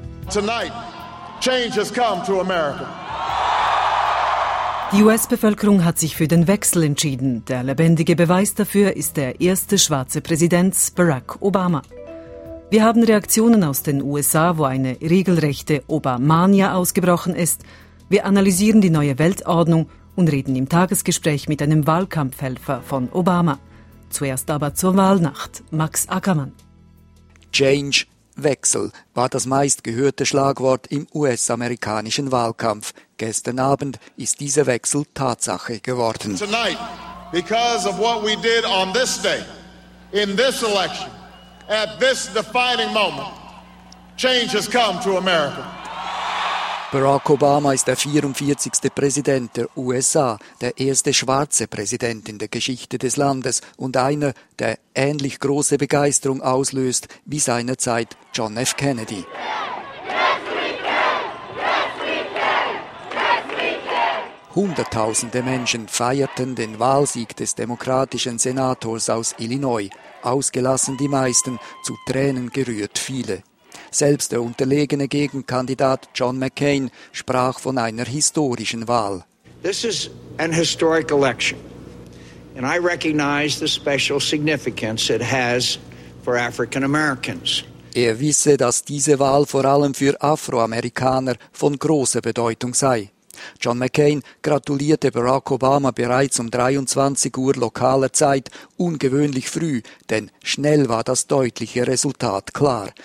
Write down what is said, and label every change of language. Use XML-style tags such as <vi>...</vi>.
<en>Tonight, change has come to America.</en> <de>Die US-Bevölkerung hat sich für den Wechsel entschieden. Der lebendige Beweis dafür ist der erste schwarze Präsident, Barack Obama. Wir haben Reaktionen aus den USA, wo eine regelrechte Obamania ausgebrochen ist. Wir analysieren die neue Weltordnung und reden im Tagesgespräch mit einem Wahlkampfhelfer von Obama. Zuerst aber zur Wahlnacht, Max Ackermann. Change, Wechsel, war das meistgehörte Schlagwort im US-amerikanischen Wahlkampf. Gestern Abend ist dieser Wechsel Tatsache geworden.</de> <en>Tonight, because of what we did on this day, in this election, at this defining moment, change has come to America.</en> <de>Barack Obama ist der 44. Präsident der USA, der erste schwarze Präsident in der Geschichte des Landes und einer, der ähnlich große Begeisterung auslöst wie seinerzeit John F. Kennedy. Hunderttausende Menschen feierten den Wahlsieg des demokratischen Senators aus Illinois. Ausgelassen die meisten, zu Tränen gerührt viele. Selbst der unterlegene Gegenkandidat John McCain sprach von einer historischen Wahl.</de> <en>This is an historic election. And I recognize the special significance it has for African Americans.</en> <de>Er wisse, dass diese Wahl vor allem für Afroamerikaner von großer Bedeutung sei. John McCain gratulierte Barack Obama bereits um 23 Uhr lokaler Zeit, ungewöhnlich früh, denn schnell war das deutliche Resultat klar.</de>